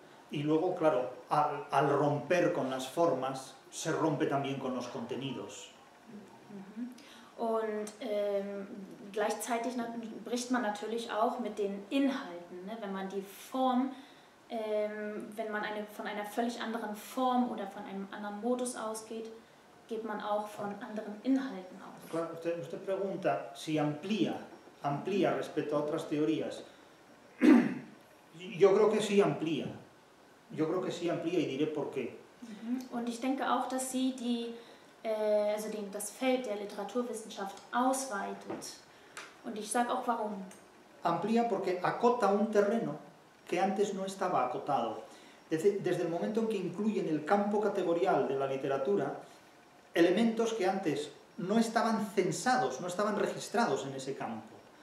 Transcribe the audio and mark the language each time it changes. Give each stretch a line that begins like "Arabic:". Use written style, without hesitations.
Spanish: Y luego, claro, al romper con las formas, se rompe también con los contenidos.
German: Und gleichzeitig bricht man natürlich auch mit den Inhalten, ne? Wenn man die Form, wenn man eine, von einer völlig anderen Form oder von einem anderen Modus ausgeht, geht man auch von anderen Inhalten aus.
Spanish: Claro, usted pregunta si amplía respecto a otras teorías. Yo creo que sí amplía. Yo creo que sí amplía y diré por qué.
German: Und ich denke auch, dass sie die, also den, das Feld der Literaturwissenschaft ausweitet. Und ich sage auch warum.
Spanish: Amplía porque acota un terreno que antes no estaba acotado. Desde el momento en que incluye en el campo categorial de la literatura elementos que antes no estaban censados, no estaban registrados en ese campo.